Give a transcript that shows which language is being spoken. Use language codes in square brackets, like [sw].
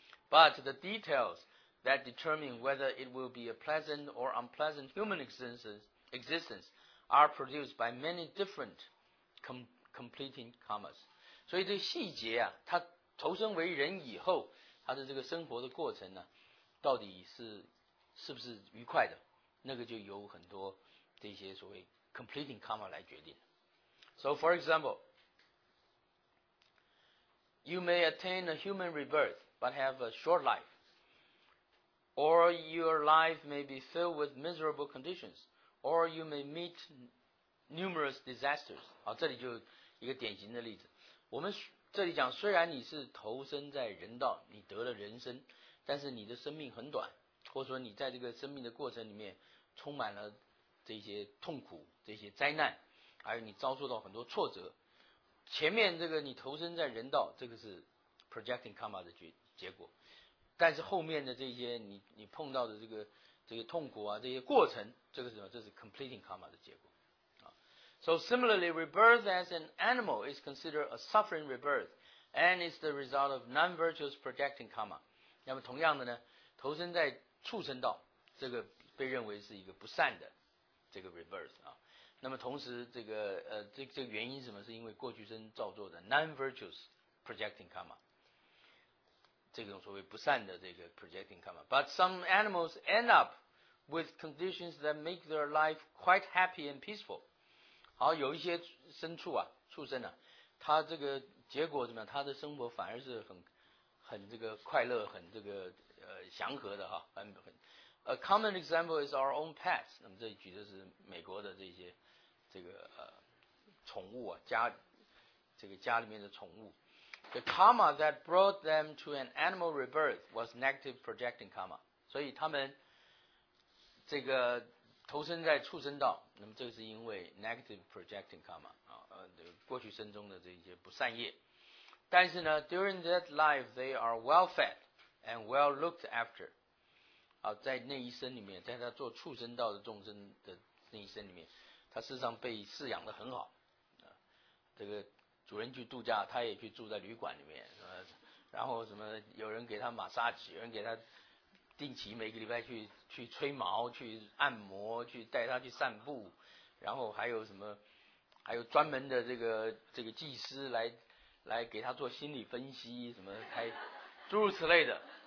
[en] But the details that determine whether it will be a pleasant or unpleasant human existence are produced by many different completing karmas， [zh] 所以这个细节啊，他投身为人以后，他的这个生活的过程呢，到底是不是愉快的，那个就由很多这些所谓 completing karma 来决定。 [en] So for example， you may attain a human rebirth but have a short life， or your life may be filled with miserable conditions， or you may meet numerous disasters. [zh] 好，这里就一个典型的例子。我们这里讲，虽然你是投身在人道，你得了人生，但是你的生命很短，或者说你在这个生命的过程里面充满了这些痛苦、这些灾难，还有你遭受到很多挫折。前面这个你投身在人道，这个是 projecting karma 的结果，但是后面的这些你碰到的这个痛苦啊，这些过程，这个是什么？这是 completing karma 的结果。 [en] So similarly, rebirth as an animal is considered a suffering rebirth, and is the result of non-virtuous projecting karma. [zh] 那么同样的呢，投身在畜生道，这个被认为是一个不善的这个 rebirth 啊。那么同时这个原因是什么？是因为过去生造作的 non-virtuous projecting karma， 这种所谓不善的这个 projecting karma。 [en] But some animals end up with conditions that make their life quite happy and peaceful。 [zh] 好，有一些牲畜啊，畜生啊，他这个结果怎么样？他的生活反而是很这个快乐，很这个祥和的哈，很。 [en] A common example is our own pets。 [zh] 那么这里举的是美国的这些这个宠物啊，家里面的宠物。 [en] The karma that brought them to an animal rebirth was negative projecting karma。 [zh] 所以他们这个投身在畜生道，那么这是因为 negative projecting karma 啊，过去生中的这些不善业。但是呢 [en] ，during that life they are well fed and well looked after。 [zh] 啊，在那一生里面，在他做畜生道的众生的那一生里面，他事实上被饲养得很好。啊，这个主人去度假，他也去住在旅馆里面，然后什么有人给他马杀鸡，有人给他定期每个礼拜去吹毛、去按摩、去带他去散步，然后还有什么，还有专门的这个技师来给他做心理分析，什么还诸如此类的。